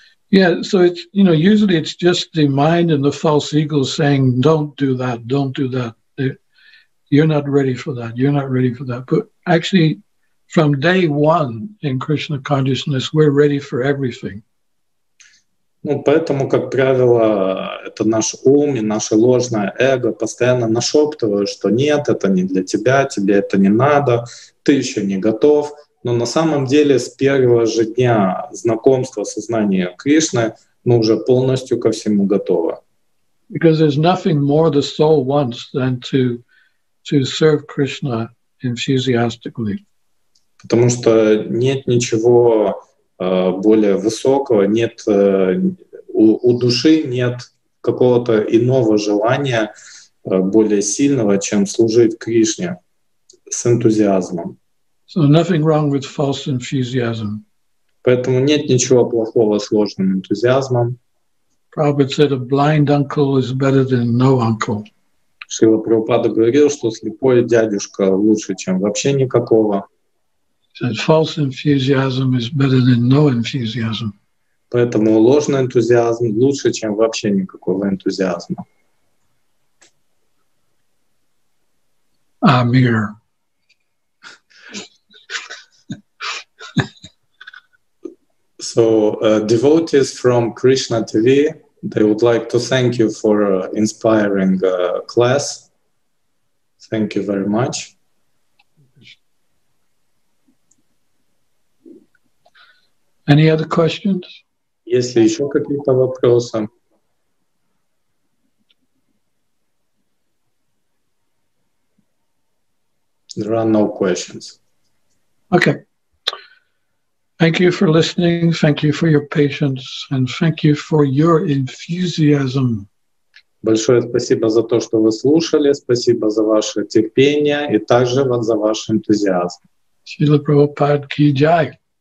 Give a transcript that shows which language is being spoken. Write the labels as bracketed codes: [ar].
[en] Yeah, so it's, you know, usually it's just the mind and the false ego saying, don't do that, don't do that. You're not ready for that, you're not ready for that. But actually, from day one in Krishna consciousness, we're ready for everything. [ru] Ну, поэтому, как правило, это наш ум и наше ложное эго постоянно нашептывают, что нет, это не для тебя, тебе это не надо, ты еще не готов. Но на самом деле с первого же дня знакомства со знанием Кришны мы уже полностью ко всему готовы. [en] Because there's nothing more the soul wants than to serve Krishna enthusiastically. [ru] Потому что нет ничего более высокого, нет у души нет какого-то иного желания более сильного, чем служить Кришне с энтузиазмом. [en] So nothing wrong with false enthusiasm. [ru] Поэтому нет ничего плохого с ложным энтузиазмом. [en] Prabhupada said a blind uncle is better than no uncle. [ru] Шрила Прабхупада говорил, что слепой дядюшка лучше, чем вообще никакого. [en] That false enthusiasm is better than no enthusiasm. [ru] Поэтому ложный энтузиазм лучше, чем вообще никакого энтузиазма. Амир. [en] So devotees from Krishna TV, they would like to thank you for inspiring class. Thank you very much. Any other questions? [ru] Если еще какие-то вопросы? [en] There are no questions. Okay. Thank you for listening. Thank you for your patience, and thank you for your enthusiasm. [ru] Большое спасибо за то, что вы слушали. Спасибо за ваше терпение и также вот за ваш энтузиазм. Шрила Прабхупада ки джай.